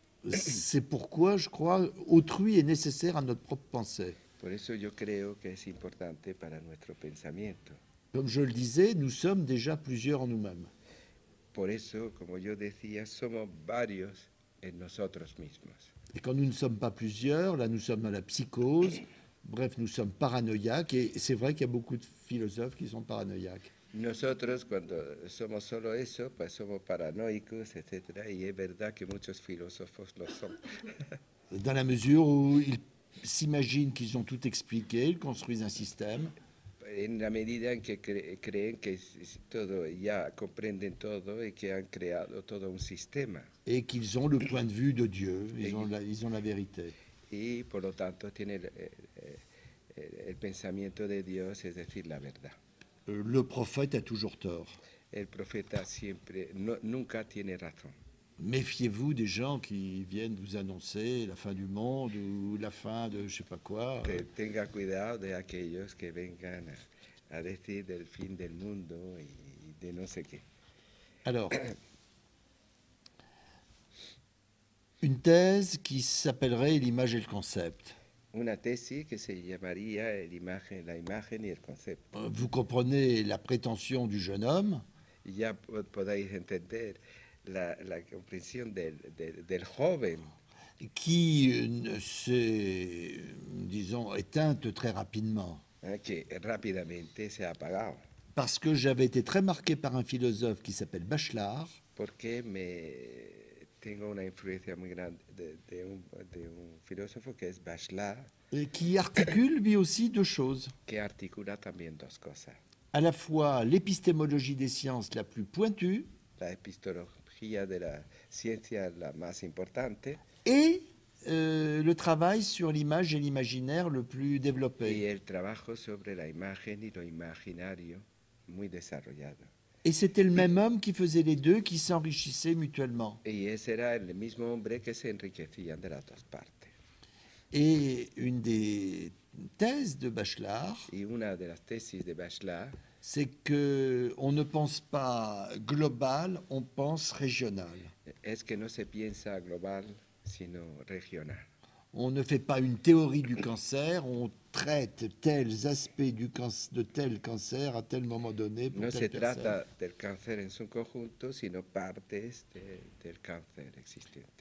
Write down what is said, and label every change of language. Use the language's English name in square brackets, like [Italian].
[French] C'est pourquoi je crois autrui est nécessaire à notre propre pensée. [Spanish] Por eso yo creo que es importante para nuestro pensamiento. [French] Comme je le disais, nous sommes déjà plusieurs en nous-mêmes. [Spanish] Por eso, como yo decía, somos varios en nosotros mismos. [French] Et quand nous ne sommes pas plusieurs, là nous sommes dans la psychose, bref, nous sommes paranoïaques, et c'est vrai qu'il y a beaucoup de philosophes qui sont paranoïaques. [Spanish] Nosotros, cuando somos solo eso, pues somos paranoicos, etc. Y es verdad que muchos filósofos lo son. [French] Dans la mesure où ils s'imaginent qu'ils ont tout expliqué, ils construisent un système. [Spanish] En la medida en que creen que todo ya comprenden todo y que han creado todo un sistema. [French] Et qu'ils ont le point de vue de Dieu, ils ont la vérité. [Spanish] Y por lo tanto tiene el pensamiento de Dios, es decir, la verdad. [French] Le prophète a toujours tort. [Spanish] El profeta siempre, no, nunca tiene razón. [French] Méfiez-vous des gens qui viennent vous annoncer la fin du monde ou la fin de je sais pas quoi. [Spanish] Tenga cuidado de aquellos que vengan a decir del fin del mundo y de no sé qué. [French] Alors, une thèse qui s'appellerait l'image et le concept. [Spanish] Una tesis que se llamaría la imagen y el concepto. [French] Vous comprenez la prétention du jeune homme. [Spanish] Ya podéis entender la comprensión del joven. [French] Qui se, disons, éteint très rapidement. [Spanish] Que rápidamente se ha apagado. [French] Parce que j'avais été très marqué par un philosophe qui s'appelle Bachelard. [Spanish] Porque me tengo una influencia muy grande de un filósofo que es Bachelard. [French] Et qui articule lui aussi deux choses. [Spanish] Que articula también dos cosas. [French] À la fois l'épistémologie des sciences la plus pointue. [Spanish] La epistemología de la ciencia la más importante. [French] Et le travail sur l'image et l'imaginaire le plus développé. [Spanish] Y el trabajo sobre la imagen y lo imaginario muy desarrollado. [French] Et c'était le même homme qui faisait les deux, qui s'enrichissait mutuellement. [Spanish] Y ese era el mismo hombre que se enriquecía de las dos partes. [French] Et une des thèses de Bachelard. [Spanish] Y una de las tesis de Bachelard. [French] C'est que on ne pense pas global, on pense régional. [Spanish] Es que no se piensa global, sino regional. [French] On ne fait pas une théorie du cancer, on traite tels aspects du de tel cancer à tel moment donné. [Spanish] Pour no se trata del cancer en su conjunto, sino partes del cancer existente.